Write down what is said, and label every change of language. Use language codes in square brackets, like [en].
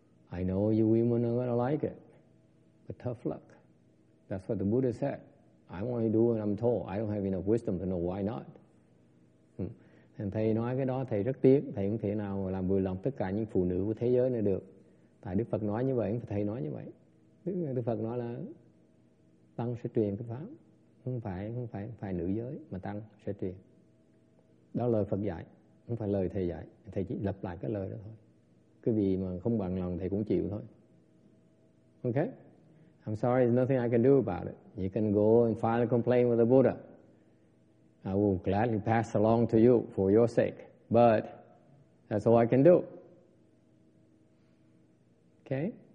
[en] I know you women are going to like it, but tough luck. That's what the Buddha said. I only do what I'm told. I don't have enough wisdom to know why not. [vi] And thầy nói cái đó, thầy rất tiếc. Thầy không thể nào làm vừa lòng tất cả những phụ nữ của thế giới này được. Tại Đức Phật nói như vậy, thầy nói như vậy. Đức Phật nói là tăng sẽ truyền cái pháp. Không phải nữ giới mà tăng sẽ truyền. Đó là lời Phật dạy. Không phải lời thầy dạy. Thầy chỉ lặp lại cái lời đó thôi. Cái gì mà không bằng lòng thầy cũng chịu thôi. [en] Okay? I'm sorry, there's nothing I can do about it. You can go and file a complaint with the Buddha. I will gladly pass along to you for your sake. But that's all I can do. Okay?